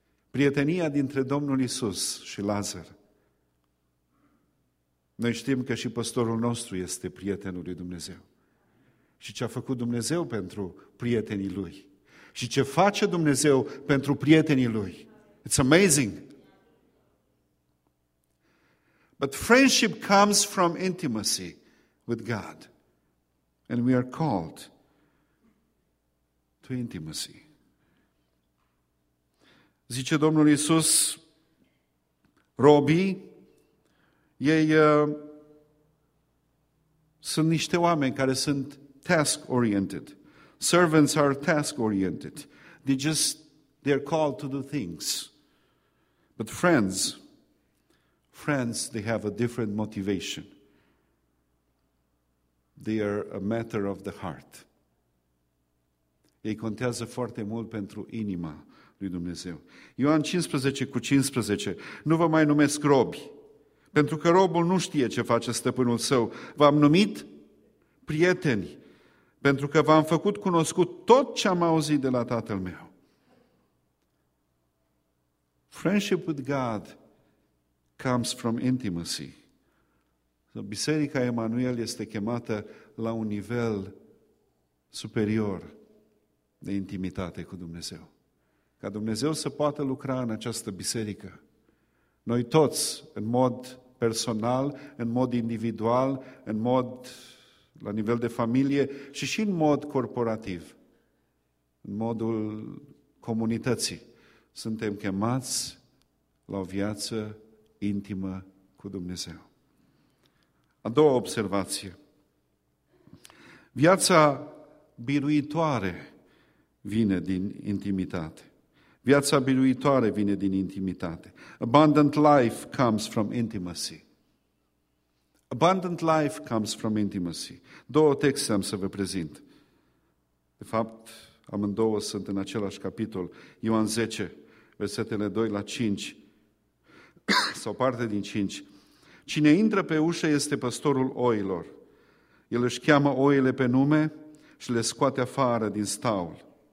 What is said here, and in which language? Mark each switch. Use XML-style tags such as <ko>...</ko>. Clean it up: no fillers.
<ro>Prietenia dintre Domnul Iisus și Lazar. Noi știm că și păstorul nostru este prietenul lui Dumnezeu. Și ce a făcut Dumnezeu pentru prietenii lui. Și ce face Dumnezeu pentru prietenii lui.</ro> <en>It's amazing. But friendship comes from intimacy with God. And we are called to intimacy.</en> <ro>Zice Domnul Iisus, robii, ei sunt niște oameni care sunt task-oriented.</ro> <en>Servants are task-oriented. They're called to do things. But friends, they have a different motivation. They are a matter of the heart.</en> <ro>Ei contează foarte mult pentru inima lui Dumnezeu. Ioan 15:15, nu vă mai numesc robi, pentru că robul nu știe ce face stăpânul său. V-am numit prieteni, pentru că v-am făcut cunoscut tot ce am auzit de la Tatăl meu.</ro> <en>Friendship with God comes from intimacy.</en> <ro>Biserica Emanuel este chemată la un nivel superior de intimitate cu Dumnezeu. Ca Dumnezeu să poată lucra în această biserică, noi toți, în mod personal, în mod individual, în mod la nivel de familie și în mod corporativ, în modul comunității, suntem chemați la o viață intimă cu Dumnezeu. A doua observație. Viața biruitoare vine din intimitate. Viața biruitoare vine din intimitate.</ro> <en>Abundant life comes from intimacy. Abundant life comes from intimacy.</en> <ro>Două texte am să vă prezint. De fapt, amândouă sunt în același capitol. Ioan 10, versetele 2 la 5, sau parte din 5. Cine intră pe ușă este păstorul oilor. El își cheamă oile pe nume și le scoate afară din staul.</ro>